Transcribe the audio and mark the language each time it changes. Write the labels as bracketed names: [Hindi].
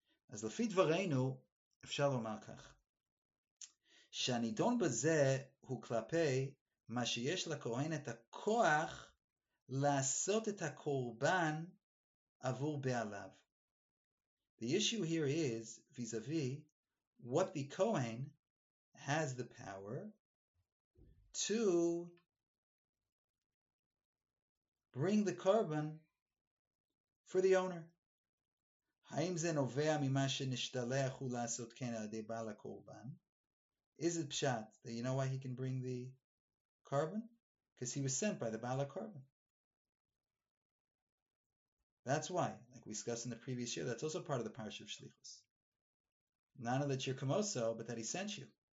[Hebrew] אז לפי דברינו, אפשר לומר כך, שהנידון בזה הוא כלפי מה שיש לכהן את הכוח לעשות את הקורבן עבור בעליו. [English] The issue here is, vis-a-vis, what the Kohen has the power to bring the carbon for the owner. [Hebrew] האם זה נובע ממה שנשתלח הוא לעשות כן על ידי בעל הקורבן? [English] Is it pshat that you know why he can bring the carbon? Because he was sent by the בעל הקורבן. That's why, like we discussed in the previous year, that's also part of the parasha of Shlichus. Not only that you're kamoso, but that he sent you.